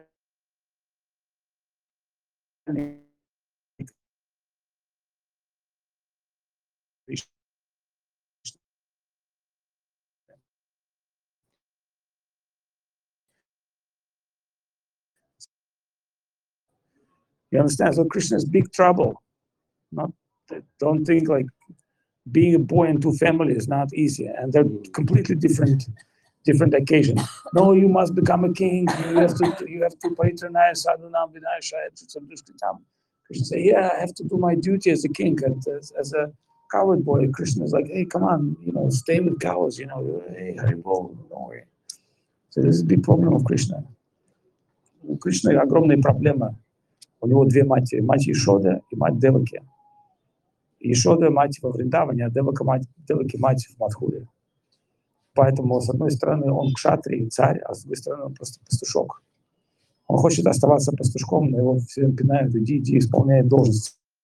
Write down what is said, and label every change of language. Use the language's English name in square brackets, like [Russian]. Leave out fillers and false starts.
[English] you understand? So Krishna is big trouble. Don't think like being a boy in two families is not easy, and they're completely different occasions. No, you must become a king. You have to patronize Sadhunam Vinayashaya to Sandushkitam. Krishna say, yeah, I have to do my duty as a king. And as a coward boy, Krishna is like, hey, come on, you know, stay with cows, you know, hey, Haribo, don't worry. So this is the big problem of Krishna. [Russian] Krishna – огромная проблема. У него две матери – мать Ишода и мать Деваки. Ишода – мать во Вриндаване, а Девака – Деваки – мать в Мадхуре. Поэтому, с одной стороны, он кшатрий, царь, а с другой стороны, он просто пастушок. Он хочет оставаться пастушком, но его все время пинают, иди, исполняй должность.